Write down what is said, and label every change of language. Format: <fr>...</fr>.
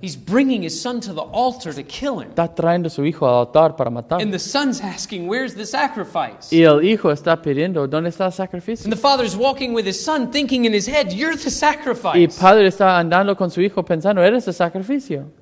<en>He's bringing his son to the altar to kill him.</en> <es>Está trayendo su hijo al altar para matarlo.</es> <en>And the son's asking, "Where's the sacrifice?"</en> <es>Y el hijo está pidiendo, "¿Dónde está el sacrificio?"</es> <en>And the father's walking with his son, thinking in his head, "You're the sacrifice."</en> <es>Y padre está andando con su hijo pensando, "Eres el sacrificio."</es>